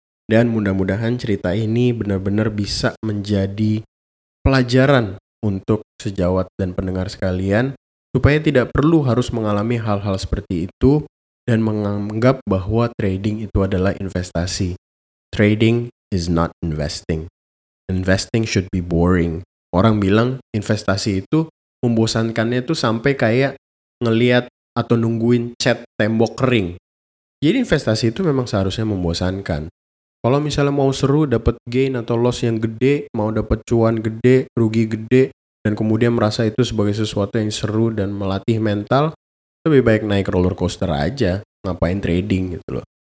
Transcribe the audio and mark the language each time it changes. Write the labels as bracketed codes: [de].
[id] Dan mudah-mudahan cerita ini benar-benar bisa menjadi pelajaran untuk sejawat dan pendengar sekalian. Supaya tidak perlu harus mengalami hal-hal seperti itu. Dan menganggap bahwa trading itu adalah investasi. [en] Trading is not investing. Investing should be boring. [id] Orang bilang investasi itu membosankannya itu sampai kayak ngelihat atau nungguin cat tembok kering. Jadi investasi itu memang seharusnya membosankan. Kalau misalnya mau seru dapat gain atau loss yang gede, mau dapat cuan gede, rugi gede, dan kemudian merasa itu sebagai sesuatu yang seru dan melatih mental, lebih baik naik roller coaster aja, ngapain trading gitu loh.